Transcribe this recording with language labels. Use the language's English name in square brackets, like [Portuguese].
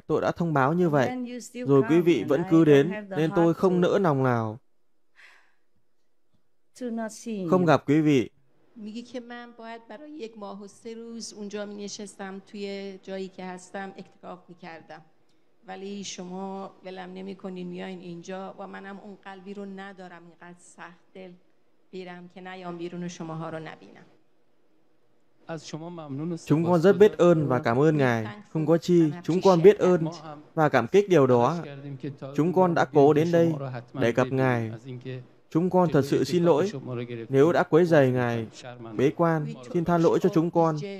[Vietnamese] Tôi đã thông báo như vậy, rồi quý vị vẫn cứ đến, nên tôi không nỡ lòng nào không gặp quý vị. [Persian] میگی که من باید برای 1 ماه و 3 روز اونجا می نشستم توی جایی که هستم اکتفاق می کردم ولی شما ولم نمی کنین میاین اینجا و منم اون قلبی رو ندارم اینقدر سخت دل بیرم که نیام بیرون و شماها رو نبینم از شما ممنون و [Vietnamese] chúng con rất biết ơn và cảm ơn ngài. Không có chi, chúng con biết ơn và cảm kích điều đó. Chúng con đã cố đến đây để gặp ngài. Chúng con thật sự xin lỗi nếu đã quấy rầy ngài bế quan, xin tha lỗi cho chúng con.